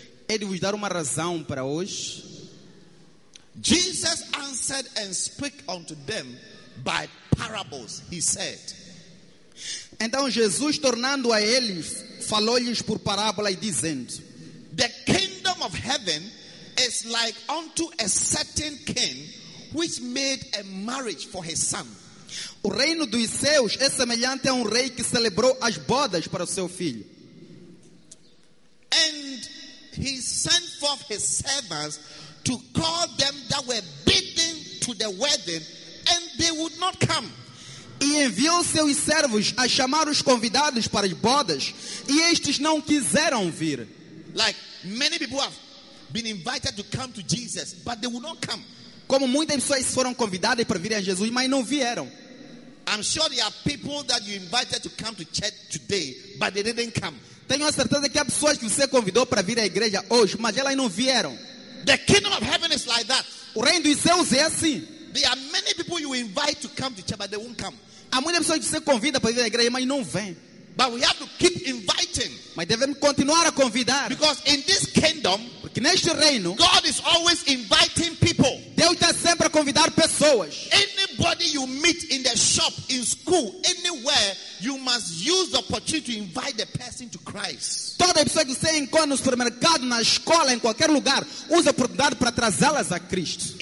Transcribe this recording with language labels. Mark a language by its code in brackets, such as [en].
[pt] É de vos dar uma razão para hoje. [en] Jesus answered and spoke unto them by parables, he said. [pt] Então Jesus, tornando a eles, falou-lhes por parábola e dizendo: [en] the kingdom of heaven is like unto a certain king which made a marriage for his son. [pt] O reino dos céus é semelhante a rei que celebrou as bodas para o seu filho. [en] And he sent forth his servants to call them that were bidden to the wedding, and they would not come. [pt] E enviou seus servos a chamar os convidados para as bodas, e estes não quiseram vir. [en] Like many people have been invited to come to Jesus, but they would not come. [pt] Como muitas pessoas foram convidadas para vir a Jesus, mas não vieram. [en] I'm sure there are people that you invited to come to church today, but they didn't come. [pt] Tenho a certeza que há pessoas que você convidou para vir à igreja hoje, mas elas não vieram. [en] The kingdom of heaven is like that. [pt] O reino dos céus é assim. [en] There are many people you invite to come to church, but they won't come. [pt] Há muitas pessoas que você convida para vir à igreja, mas não vêm. [en] But we have to keep inviting. [pt] Mas devemos continuar a convidar. [en] Because in this kingdom, [pt] porque neste reino, [en] God is always inviting people. [pt] Deus está sempre a convidar pessoas. [en] Anybody you meet in the shop, in school, anywhere, you must use the opportunity to invite the person to Christ. [pt] Toda pessoa que você encontra no supermercado, na escola, em qualquer lugar, use a oportunidade para trazê-las a Cristo.